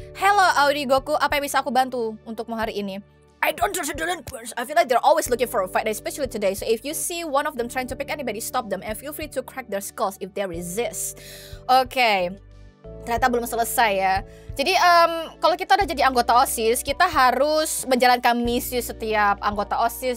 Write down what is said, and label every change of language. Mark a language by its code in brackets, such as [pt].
[id] Hello Aurigoku, apa yang bisa aku bantu untukmu hari ini? [en] I don't trust the delinquents. I feel like they're always looking for a fight, especially today. So if you see one of them trying to pick anybody, stop them and feel free to crack their skulls if they resist. [id] Okay. Ternyata belum selesai ya. Jadi kalau kita udah jadi anggota OSIS, kita harus menjalankan misi setiap anggota OSIS.